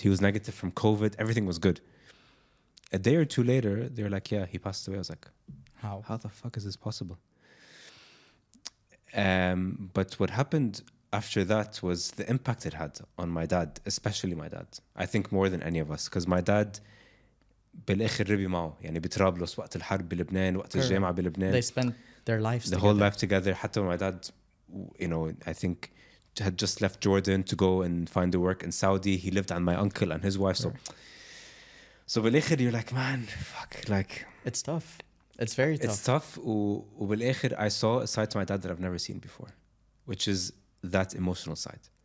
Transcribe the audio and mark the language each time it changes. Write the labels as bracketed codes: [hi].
[en] He was negative from COVID. Everything was good. A day or two later, they were like, yeah, he passed away. I was like, how? How the fuck is this possible? But what happened after that was the impact it had on my dad, especially my dad. I think more than any of us. [ar] Because my dad, بالاخر ربي معه. يعني بترابلس وقت الحرب بلبنان, وقت الجامعة بلبنان. [en] They spent their lives together. The whole life together. [ar] حتى [en] when my dad, I think, had just left Jordan to go and find a work in Saudi. He lived on my uncle and his wife. So [ar] بالاخر, [en] you're like, man, fuck. Like, it's tough. It's very tough. It's tough. [ar] وبالاخر, [en] I saw a side to my dad that I've never seen before, which is that emotional side.